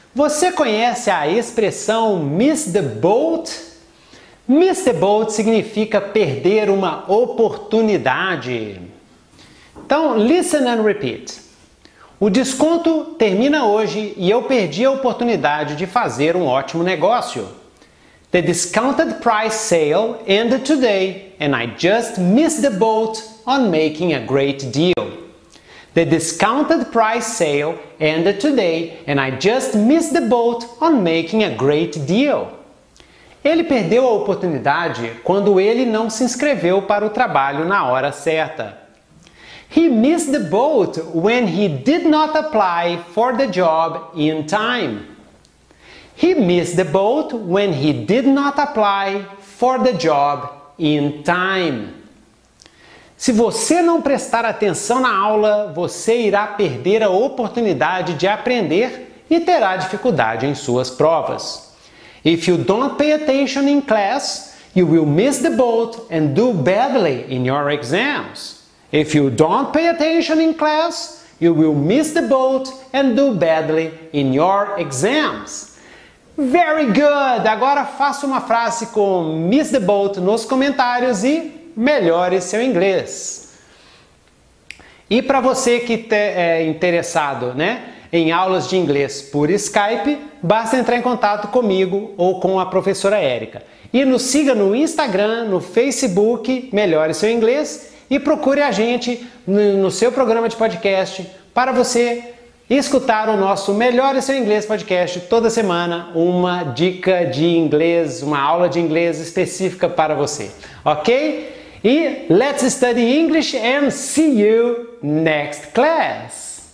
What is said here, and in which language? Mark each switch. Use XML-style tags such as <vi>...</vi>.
<pt>Você conhece a expressão miss the boat? Miss the boat significa perder uma oportunidade.</pt> <en>Então, listen and repeat.</en> <pt>O desconto termina hoje e eu perdi a oportunidade de fazer um ótimo negócio.</pt> <en>The discounted price sale ended today and I just missed the boat on making a great deal. The discounted price sale ended today and I just missed the boat on making a great deal.</en> <pt>Ele perdeu a oportunidade quando ele não se inscreveu para o trabalho na hora certa.</pt> <en>He missed the boat when he did not apply for the job in time. He missed the boat when he did not apply for the job in time.</en> <pt>Se você não prestar atenção na aula, você irá perder a oportunidade de aprender e terá dificuldade em suas provas.</pt> <en>If you don't pay attention in class, you will miss the boat and do badly in your exams. If you don't pay attention in class, you will miss the boat and do badly in your exams. Very good!</en> <pt>Agora faça uma frase com miss the boat nos comentários e melhore seu inglês. E para você que é interessado, né, em aulas de inglês por Skype, basta entrar em contato comigo ou com a professora Érica. E nos siga no Instagram, no Facebook, Melhore Seu Inglês, e procure a gente no seu programa de podcast para você escutar o nosso Melhore Seu Inglês podcast toda semana, uma dica de inglês, uma aula de inglês específica para você, ok?</pt> <en>E let's study English and see you next class!</en>